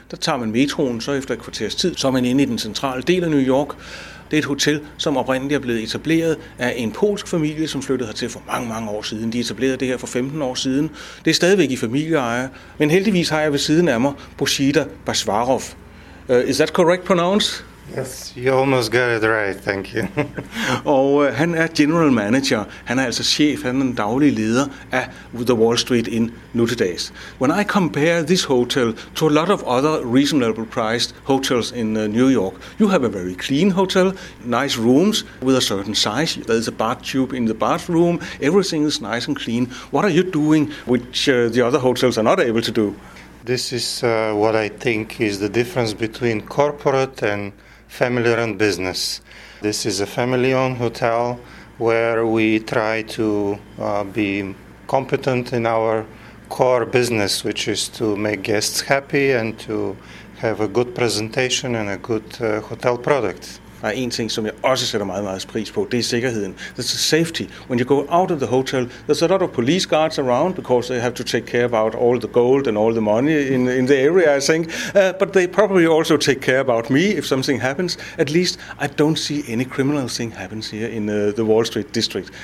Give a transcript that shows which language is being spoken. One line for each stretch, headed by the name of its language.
Danish: Der tager man metroen, så efter et kvarters tid, så er man inde i den centrale del af New York. Det er et hotel, som oprindeligt er blevet etableret af en polsk familie, som flyttede hertil for mange, mange år siden. De etablerede det her for 15 år siden. Det er stadigvæk i familieeje, men heldigvis har jeg ved siden af mig Bozita Bazvarov.
English: Is that correct pronounced? Yes, you almost got it right, thank you.
Danish: Og han er general manager. Han er altså chef, han er den daglige leder af The Wall Street Inn nu til dags.
English: When I compare this hotel to a lot of other reasonable priced hotels in New York, you have a very clean hotel, nice rooms with a certain size. There is a bathtub in the bathroom. Everything is nice and clean. What are you doing which the other hotels are not able to do? This is what I think is the difference between corporate and family-run business. This is a family-owned hotel where we try to be competent in our core business, which is to make guests happy and to have a good presentation and a good hotel product.
Danish: Der er en ting, som jeg også sætter meget, meget pris på, det er sikkerheden.
English: That's the safety. When you go out of the hotel, there's a lot of police guards around because they have to take care about all the gold and all the money in the area, I think. But they probably also take care about me if something happens. At least I don't see any criminal thing happens here in the Wall Street district.